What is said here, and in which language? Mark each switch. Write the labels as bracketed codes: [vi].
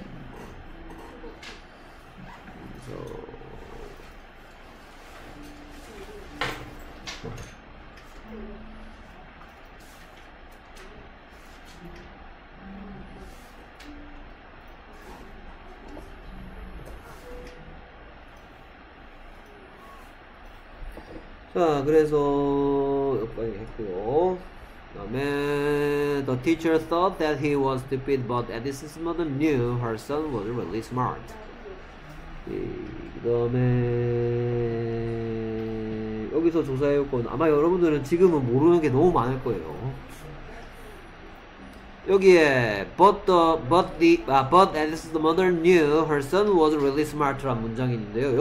[ko] 그래서 자, 그래서 여기까지 했고요. [en] 다음에 the teacher thought that he was stupid, but Edison's mother knew her son was really smart. [ko] 그다음에 여기서 조사해 볼건 아마 여러분들은 지금은 모르는 게 너무 많을 거예요. 여기에 [en] but Edison's mother knew her son was really smart [ko] 란 문장이 있는데요.